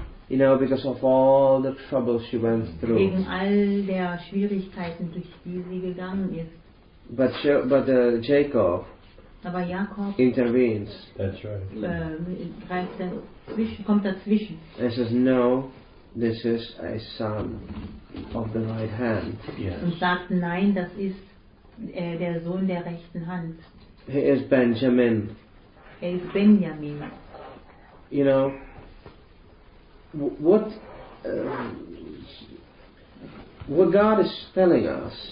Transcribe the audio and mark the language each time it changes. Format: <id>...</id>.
<en>You know, because of all the troubles she went through.</en> <de>Wegen all der Schwierigkeiten, durch die sie gegangen ist. Aber Jakob</de> <en>intervenes. That's right.</en> <de>Kommt dazwischen.</de> <en>And says, no, this is a son of the right hand. Yes.</en> <de>Und sagt, nein, das ist der Sohn der rechten Hand.</de> <en>He is Benjamin.</en> <de>Er ist Benjamin.</de> <en>You know, what God is telling us,</en>